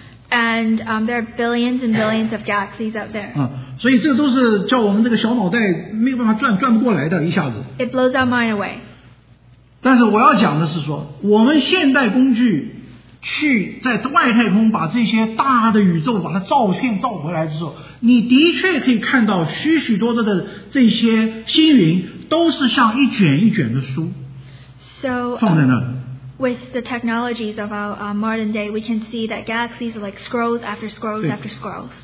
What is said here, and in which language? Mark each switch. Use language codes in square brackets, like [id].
[en] And there are billions and billions of galaxies out there. [zh] 所以这都是叫我们这个小脑袋没有办法转不过来的，一下子。 [en] It blows our mind away. [zh] 但是我要讲的是说，我们现代工具去在外太空把这些大的宇宙把它照片照回来的时候，你的确可以看到许许多多的这些星云都是像一卷一卷的书放在那里。 [en] With the technologies of our modern day, we can see that galaxies are like scrolls after scrolls after scrolls.